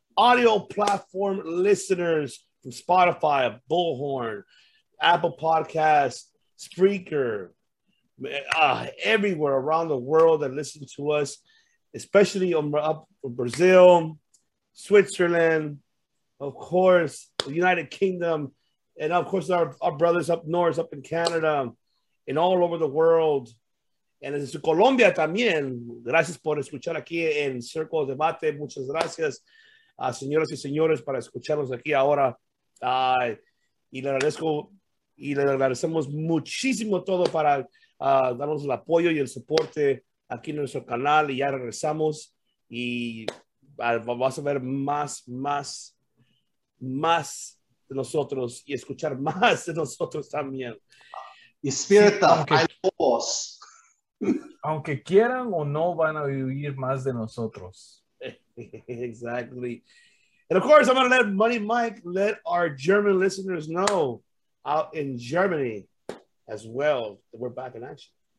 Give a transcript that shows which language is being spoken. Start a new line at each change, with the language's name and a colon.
English: audio platform listeners from Spotify, Bullhorn, Apple Podcasts, Spreaker, everywhere around the world that listen to us, especially up from Brazil, Switzerland, of course, the United Kingdom, and of course our brothers up north, up in Canada, and all over the world. And it's
Spanish: Colombia también. Gracias por escuchar aquí en Circo Debate. Muchas gracias, señoras y señores, para escucharnos aquí ahora. Y le agradezco y le agradecemos muchísimo todo para darnos el apoyo y el soporte aquí en nuestro canal. Y ya regresamos y vas a ver más de nosotros y escuchar más de nosotros también. Espírita, hay lobos. Aunque quieran o no, van a vivir más de nosotros.
English: Exactly. And of course, I'm going to let Money Mike let our German listeners know out in Germany as well that we're back in action.